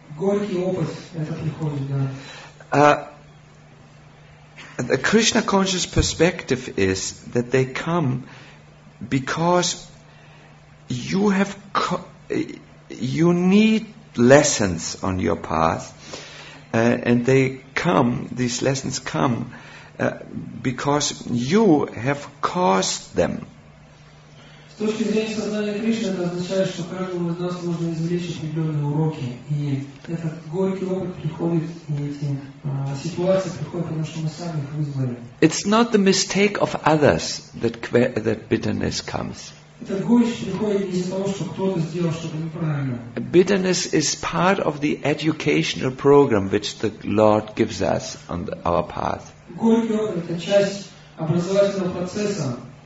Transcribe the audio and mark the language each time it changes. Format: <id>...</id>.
<en>The Krishna conscious perspective is that they come because you need lessons on your path, and they come, these lessons come, because you have caused them.</en> <ru>С точки зрения сознания Кришны, это означает, что каждому из нас нужно извлечь определенные уроки. И этот горький опыт приходит, и эти ситуации приходят, потому что мы сами их вызвали.</ru> <en>It's not the mistake of others that bitterness comes.</en> <ru>Это горечь приходит не из-за того, что кто-то сделал что-то неправильно.</ru> <en>Bitterness is part of the educational program which the Lord gives us on our path.</en> <ru>Горький опыт – это часть образовательного процесса.</ru>